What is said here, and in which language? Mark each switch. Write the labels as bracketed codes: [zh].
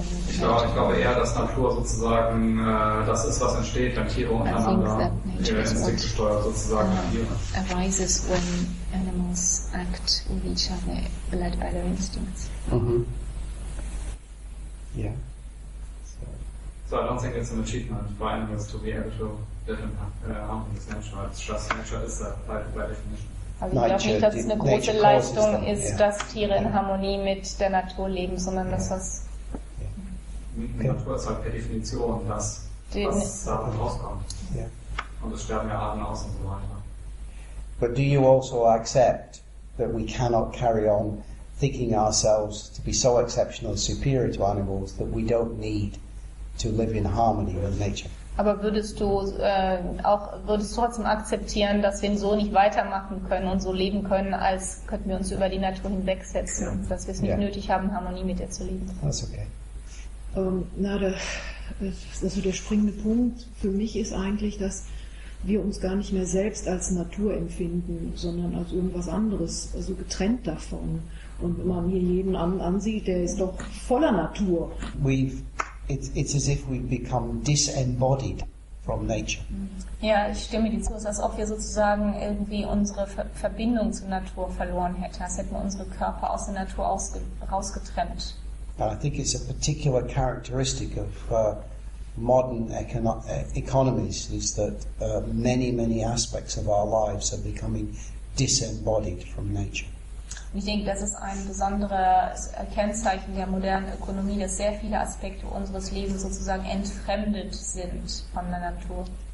[de] Ich glaube eher, dass Natur sozusagen das ist, was entsteht, wenn Tiere untereinander instinktgesteuert sozusagen agieren. [en] Arises when animals act with each other, led by their instincts. Mm-hmm. Yeah. So I don't think it's an achievement for animals to be able to live in harmony with nature. It's just nature is that, by definition. [de] Also ich glaube nicht, dass es eine große Leistung ist, dass Tiere in Harmonie mit der Natur leben, sondern dass das... Die Natur ist halt per Definition das, was daraus rauskommt. Yeah. Und es sterben ja Arten aus und so weiter. [en] But do you also accept that we cannot carry on thinking ourselves to be so exceptional and superior to animals that we don't need to live in harmony with nature. [de] Aber würdest du trotzdem akzeptieren, dass wir so nicht weitermachen können und so leben können, als könnten wir uns über die Natur hinwegsetzen, yeah, dass wir es nicht, yeah, nötig haben, Harmonie mit ihr zu leben? [en] That's okay. [de] Der springende Punkt für mich ist eigentlich, dass wir uns gar nicht mehr selbst als Natur empfinden, sondern als irgendwas anderes, also getrennt davon. Und wenn man hier jeden ansieht, der ist doch voller Natur. [en] It's as if we've become disembodied from nature. [de] Ja, ich stimme dir zu, es ist, als ob wir sozusagen irgendwie unsere Verbindung zur Natur verloren hätten, als hätten wir unsere Körper aus der Natur rausgetrennt. [en] But I think it's a particular characteristic of modern economies is that many, many aspects of our lives are becoming disembodied from nature. [de] Ich denke, das ist ein besonderes Kennzeichen der modernen Ökonomie, dass sehr viele Aspekte unseres Lebens sozusagen entfremdet sind von der Natur.